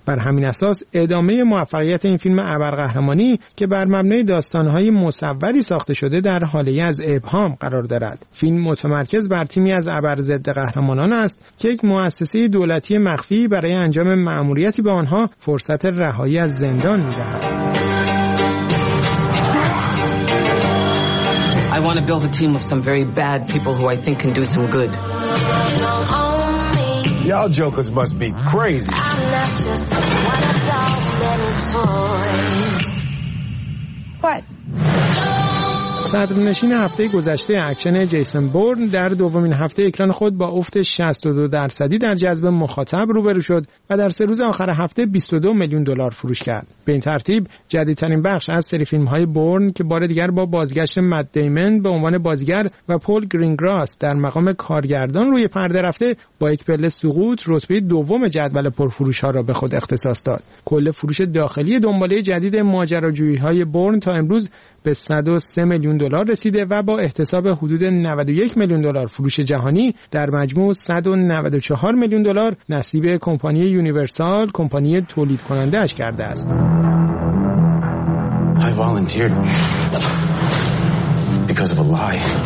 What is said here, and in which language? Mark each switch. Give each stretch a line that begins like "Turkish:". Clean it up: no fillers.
Persian: بر همین اساس ادامه موفقیت این فیلم ابرقهرمانی که بر مبنای داستان‌های مصوری ساخته شده در حاله ای از ابهام قرار دارد. فیلم متمرکز بر تیمی از ابر ضد قهرمانان است که یک مؤسسه دولتی مخفی برای انجام مأموریتی به آنها فرصت رهایی از زندان می‌دهد.
English: I want to build a team of some very bad people who I think can do some good. Y'all jokers must be crazy. I'm not just one of many toys. What?
Persian: صدرنشین هفته گذشته اکشن جیسون بورن در دومین هفته اکران خود با افت 62% در جذب مخاطب روبرو شد و در سه روز آخر هفته 22 میلیون دلار فروش کرد. به این ترتیب جدیدترین بخش از سری فیلم‌های بورن که بار دیگر با بازگشت مت دیمن به عنوان بازیگر و پول گرینگراس در مقام کارگردان روی پرده رفته با یک پله سقوط رتبه دوم جدول پرفروش‌ها را به خود اختصاص داد. کل فروش داخلی دنباله جدید ماجراجویی‌های بورن تا امروز به 103 میلیون دلار رسیده و با احتساب حدود 91 میلیون دلار فروش جهانی در مجموع 194 میلیون دلار نصیب کمپانی یونیورسال، کمپانی تولید کننده اش کرده است.
English: I volunteered because of a lie.